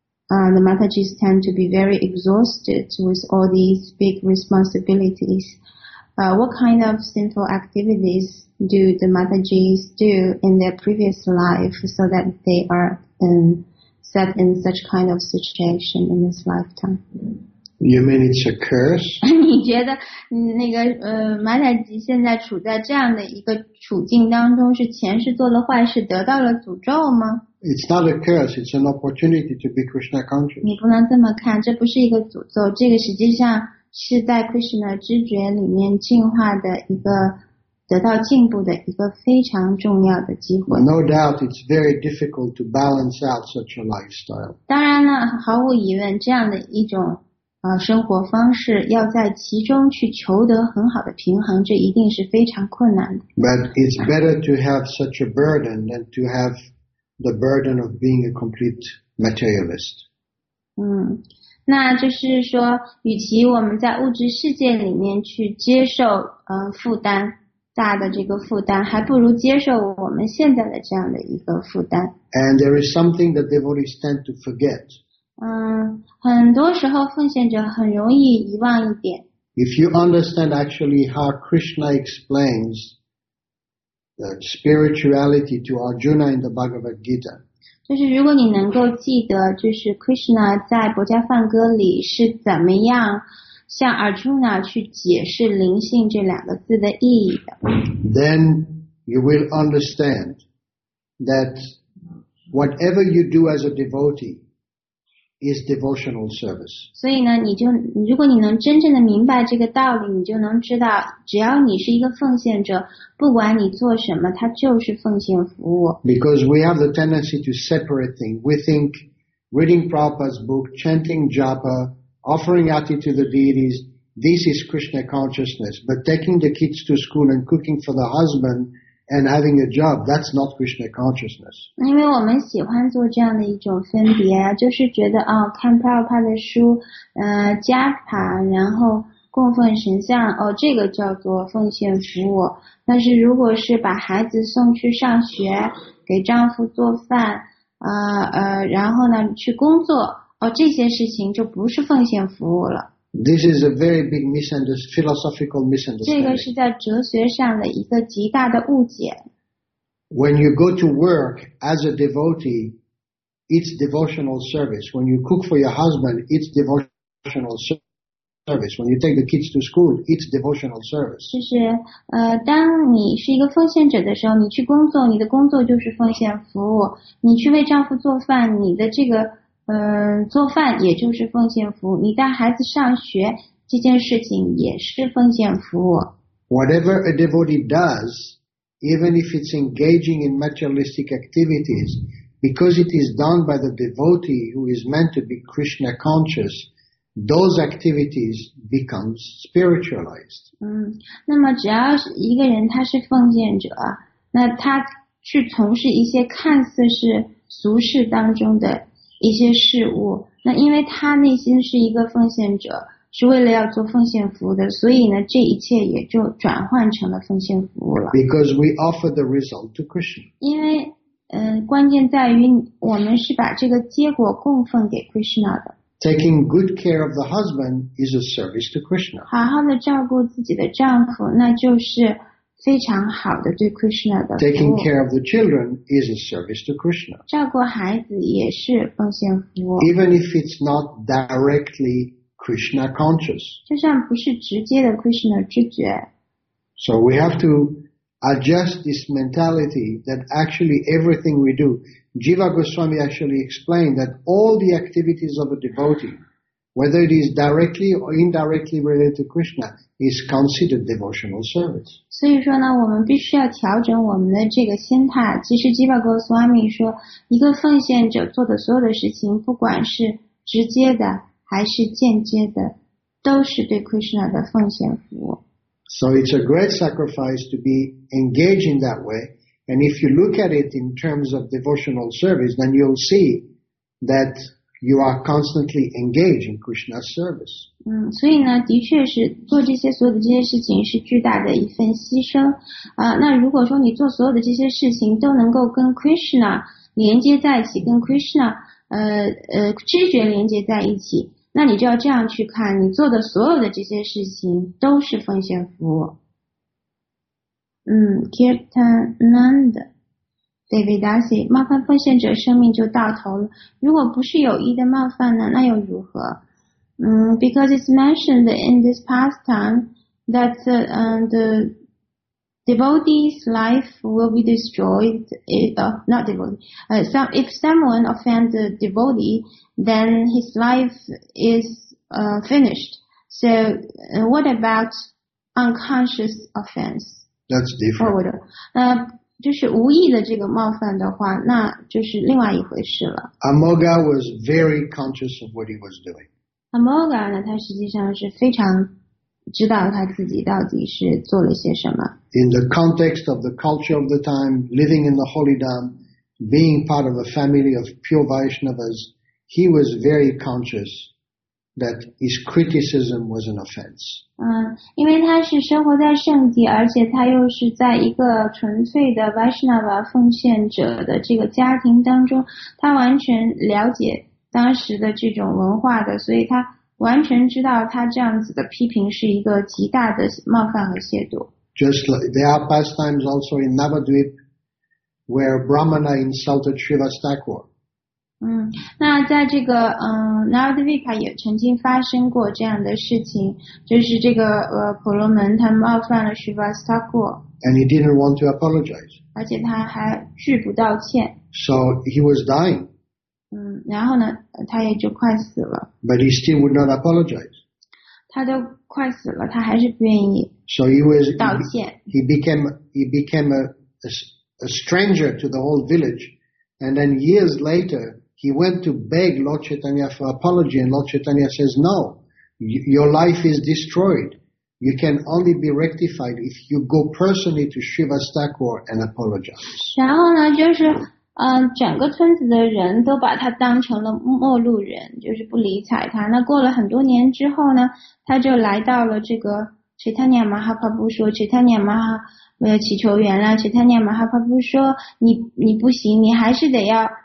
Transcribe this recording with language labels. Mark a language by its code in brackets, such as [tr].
[en] The Mataji's tend to be very exhausted with all these big responsibilities. What kind of sinful activities do the Mataji's do in their previous life so that they are set in such kind of situation in this lifetime? You mean it's a curse? [zh] 你觉得那个马太吉现在处在这样的一个处境当中，是前世做了坏事，得到了诅咒吗？ [en] It's not a curse. It's an opportunity to be Krishna conscious. [zh] 你不能这么看，这不是一个诅咒，这个实际上是在 Krishna 知觉里面进化的一个得到进步的一个非常重要的机会。 [en] No doubt, it's very difficult to balance out such a lifestyle. [zh] 当然了，毫无疑问，这样的一种生活方式要在其中去求得很好的平衡，这一定是非常困难的。 [en] But it's better to have such a burden than to have the burden of being a complete materialist. [zh] 那就是说，与其我们在物质世界里面去接受负担大的这个负担，还不如接受我们现在的这样的一个负担。 [en] And there is something that devotees tend to forget. [zh] 很多时候奉献者很容易遗忘一点。 [en] If you understand actually how Krishna explains the spirituality to Arjuna in the Bhagavad Gita, [zh] 就是如果你能够记得，就是 Krishna 在《薄伽梵歌》里是怎么样向 Arjuna 去解释灵性这两个字的意义的。 [en] Then you will understand that whatever you do as a devotee,is devotional service. [zh] 所以呢，如果你能真正的明白这个道理，你就能知道，只要你是一个奉献者，不管你做什么，它就是奉献服务。 [en] Because we have the tendency to separate things. We think reading Prabhupada's book, chanting japa, offering ati to the deities, this is Krishna consciousness. But taking the kids to school and cooking for the husband and having a job, that's not Krishna consciousness. [zh] 因为我们喜欢做这样的一种分别，就是觉得哦，看 Prabhupada 的书，japa，然后供奉神像，哦，这个叫做奉献服务。但是如果是把孩子送去上学，给丈夫做饭，然后呢去工作，哦，这些事情就不是奉献服务了。 [en] This is a very big misunderstanding, philosophical misunderstanding. [zh] 这个是在哲学上的一个极大的误解。 [en] When you go to work as a devotee, it's devotional service. When you cook for your husband, it's devotional service. When you take the kids to school, it's devotional service. [zh] 就是当你是一个奉献者的时候，你去工作，你的工作就是奉献服务。你去为丈夫做饭，你的这个做饭也就是奉献服务。你带孩子上学，这件事情也是奉献服务。 [en] Whatever a devotee does, even if it's engaging in materialistic activities, because it is done by the devotee who is meant to be Krishna conscious, those activities become spiritualized. [zh] 那么只要一个人他是奉献者，那他去从事一些看似是俗世当中的一些事物，那因为他内心是一个奉献者，是为了要做奉献服务的，所以呢，这一切也就转换成了奉献服务了。 [en] Because we offer the result to Krishna. [zh] 因为，关键在于我们是把这个结果供奉给 Krishna 的。 [en] Taking good care of the husband is a service to Krishna. [zh] 好好的照顾自己的丈夫，那就是非常好的对 Krishna 的服务。 [en] Taking care of the children is a service to Krishna. [zh] 照顾孩子也是奉献服务。 [en] Even if it's not directly Krishna conscious. [zh] 就算不是直接的 Krishna 知觉。 [en] So we have to adjust this mentality that actually everything we do. Jiva Goswami actually explained that all the activities of a devotee, whether it is directly or indirectly related to Krishna, is considered devotional service. [zh] 所以说呢，我们必须要调整我们的这个心态。其实 Jiva Goswami 说，一个奉献者做的所有的事情，不管是直接的还是间接的，都是对 Krishna 的奉献服务。 [en] So it's a great sacrifice to be engaged in that way. And if you look at it in terms of devotional service, then you'll see that you are constantly engaged in Krishna's service. [zh] 所以呢，的确是做这些所有的这些事情是巨大的一份牺牲。那如果说你做所有的这些事情都能够跟 Krishna 连接在一起，跟 Krishna 知觉连接在一起，那你就要这样去看，你做的所有的这些事情都是奉献服务。 Kirtanand Devidasi， 冒犯奉献者生命就到头了，如果不是有意的冒犯呢，那又如何？ [en] Because it's mentioned in this pastime that the devotee's life will be destroyed. If someone offends the devotee, then his life is finished. So, what about unconscious offense? That's different. [zh] 就是无意的这个冒犯的话，那就是另外一回事了。 [en] Amoga was very conscious of what he was doing. [zh] Amoga 呢，他实际上是非常知道他自己到底是做了些什么。 [en] In the context of the culture of the time, living in the holy dham, being part of a family of pure Vaishnavas, he was very conscious that his criticism was an offense. [zh] 因为他是生活在圣地，而且他又是在一个纯粹的 Vaishnava 奉献者的这个家庭当中，他完全了解当时的这种文化的，所以他完全知道他这样子的批评是一个极大的冒犯和亵渎。 [en] Just like there are pastimes also in Navadvip where Brahmana insulted Shiva's Thakur. [zh] 那在这个Navadvip 也曾经发生过这样的事情，就是这个婆罗门他冒犯了 Shiva's Thakur. [en] And he didn't want to apologize. [zh] 而且他还拒不道歉。 [en] So he was dying. [zh] 然后呢，他也就快死了。 [en] But he still would not apologize. [zh] 他都快死了，他还是不愿意。 [en] So he was, [zh] 道歉。 [en] he became a stranger to the whole village. And then years later, he went to beg Lord Chaitanya for apology. And Lord Chaitanya says, no, your life is destroyed. You can only be rectified if you go personally to Shiva's Thakur and apologize. [zh] 然后呢，就是整个村子的人都把他当成了陌路人，就是不理睬他。那过了很多年之后呢，他就来到了这个Chaitanya Mahaprabhu 说 ,Chaitanya Mahaprabhu 祈求原谅 ,Chaitanya Mahaprabhu 说 你不行，你还是得要